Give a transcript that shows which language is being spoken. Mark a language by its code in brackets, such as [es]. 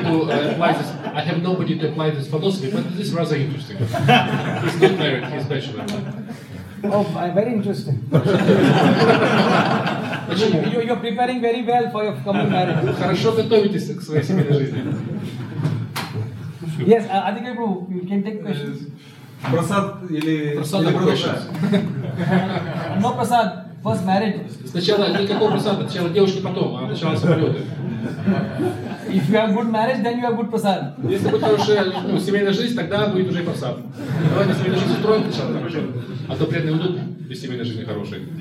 [en] I have nobody to apply this philosophy, but this is rather interesting. He's not married, he's bachelor. Oh, very interesting. you're preparing very well for your coming marriage. [ru] Хорошо готовитесь к своей семейной жизни. [en] Yes, Adhika Prabhu, you can take questions. [ru] Prasad или... Prasad или Prasad? [en] No, Prasad. First marriage. [ru] Сначала никакого Prasada, сначала девушки потом, а сначала самолеты. [en] If you have good marriage, then you have good Prasad. [ru] Если будет хорошая, ну, семейная жизнь, тогда будет уже и Prasad. Давайте семейную жизнь устроим сначала, а то преданные уйдут без семейной жизни хорошей.